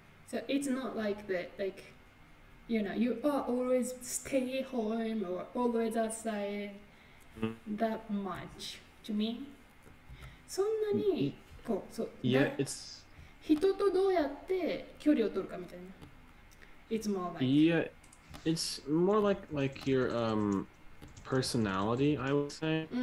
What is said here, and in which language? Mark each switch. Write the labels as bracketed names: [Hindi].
[English] So it's not like that, like, you know, you are always stay home or always outside that much to me. [Japanese] そんなに、こう、そう、 [English] Yeah, it's... [Japanese] 人とどうやって距離を取るかみたいな。 [English] It's more like. Yeah, it's more like your personality, I would say.